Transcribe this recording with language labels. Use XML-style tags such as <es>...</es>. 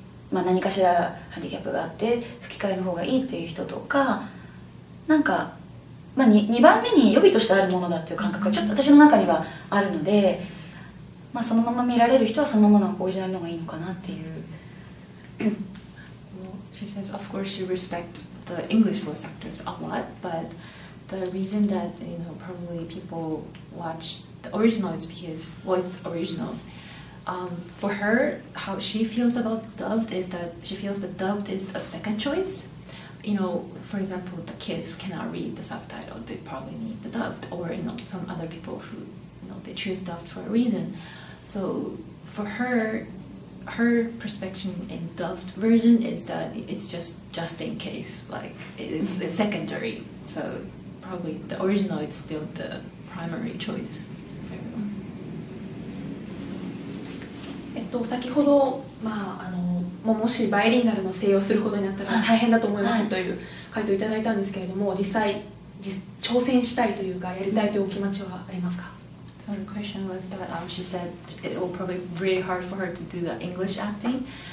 <ja>何かしらハンディキャップがあって吹き替えの方がいいっていう人とかなんかまあ、2番目に予備としてあるものだっていう感覚がちょっと私の中にはあるので、まあ、そのまま見られる人はそのままのオリジナルの方がいいのかなっていう。</ja> <en>Well, she says, of course, she respects the English voice actors a lot, but the reason that, you know, probably people watch the original is because, well, it's original. For her, how she feels about dubbed is that she feels that dubbed is a second choice. You know, for example, the kids cannot read the subtitle, they probably need the dubbed, or, you know, some other people who, you know, they choose dubbed for a reason. So for her, her perspective in dubbed version is that it's just in case, like, it's the secondary. So probably the original is still the primary choice for everyone.</en> <ja>先ほど、まあ、もしバイリンガルの声優をすることになったら大変だと思いますという回答をいただいたんですけれども、はい、実際挑戦したいというかやりたいというお気持ちはありますか。</ja> <en>So the question was that she said it will probably be really hard for her to do the English acting.</en>